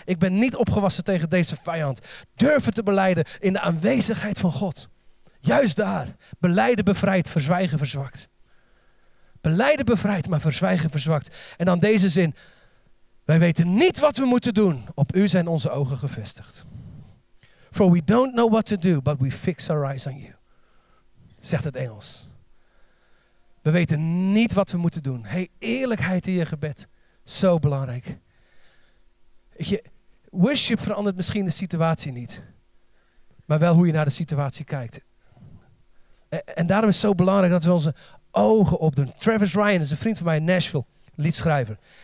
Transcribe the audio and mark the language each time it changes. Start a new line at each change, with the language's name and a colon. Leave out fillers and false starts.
Dutch: Ik ben niet opgewassen tegen deze vijand. Durf het te belijden in de aanwezigheid van God. Juist daar. Belijden bevrijdt, verzwijgen verzwakt. Belijden bevrijdt, maar verzwijgen verzwakt. En dan deze zin: wij weten niet wat we moeten doen. Op u zijn onze ogen gevestigd.
English: For we don't know what to do, but we fix our eyes on you.
Dutch: Zegt het Engels. We weten niet wat we moeten doen. Hey, eerlijkheid in je gebed. Zo belangrijk. Worship verandert misschien de situatie niet. Maar wel hoe je naar de situatie kijkt. En daarom is het zo belangrijk dat we onze ogen opdoen. Travis Ryan is een vriend van mij in Nashville, liedschrijver.